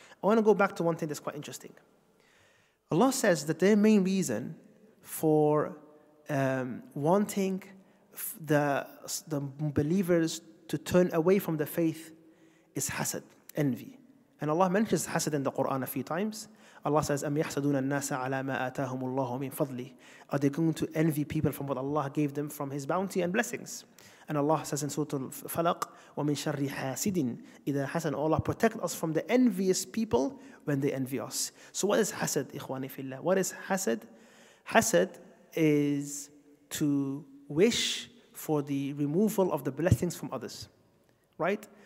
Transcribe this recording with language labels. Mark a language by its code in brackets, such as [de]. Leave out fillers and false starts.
[en] I want to go back to one thing that's quite interesting. Allah says that their main reason for wanting the believers to turn away from the faith is hasad, envy. And Allah mentions hasad in the Quran a few times. Allah says, [ar] أَمْ يَحْسَدُونَ النَّاسَ عَلَى مَا آتَاهُمُ اللَّهُ مِنْ فَضْلِهِ. [en] Are they going to envy people from what Allah gave them from His bounty and blessings? And Allah says in Surah Al-Falaq, [ar] وَمِنْ شَرِّ حَاسِدٍ إِذَا حَسَنَ. [en] Allah protect us from the envious people when they envy us. So what is hasad, [ar] إخواني في الله? [en] What is hasad? Hasad is to wish for the removal of the blessings from others. Right?